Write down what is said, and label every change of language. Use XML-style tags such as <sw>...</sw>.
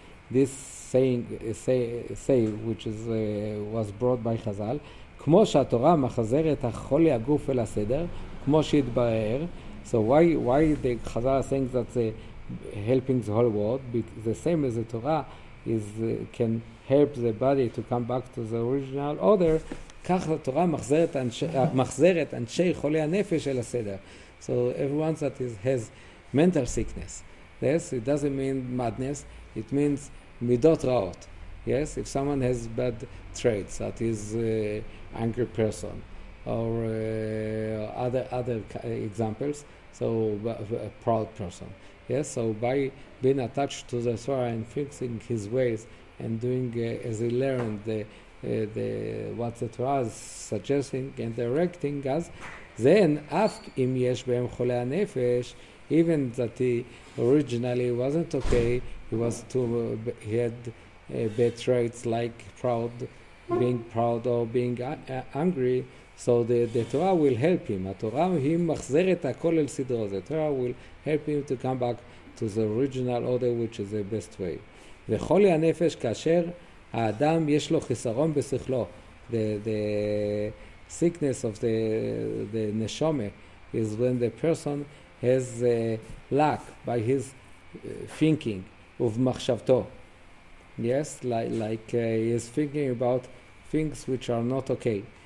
<en>This saying, say which is was brought by Chazal,</en> <he>כמו שהתורה מחזרת החולי הגוף אל הסדר, כמו שהתברר.</he> <en>So why the Chazal is saying that helping the whole world? Because the same as the Torah is can help the body to come back to the original order.</en> <he>כך התורה מחזרת אנשי חולי הנפש אל הסדר.</he> <en>So everyone that has mental sickness, yes, it doesn't mean madness. It means midot raot. Yes, if someone has bad traits, that is angry person, or other examples. So a proud person. Yes, so by being attached to the Torah and fixing his ways and doing as he learned the what the Torah is suggesting and directing us, then ask</en> <he>im yesh b'em chole hanefesh,</he> <en>even that he originally wasn't okay. He was too. He had bad traits like proud, being proud or being angry. So the Torah will help him. The Torah will help him to come back to the original order, which is the best way.</en> <he>וחולי הנפש כאשר האדם יש לו חיסרון בשכלו.</he> <en>The sickness of the neshome is when the person has lack by his thinking. Of machshavto, yes, like he is thinking about things which are not okay.</en>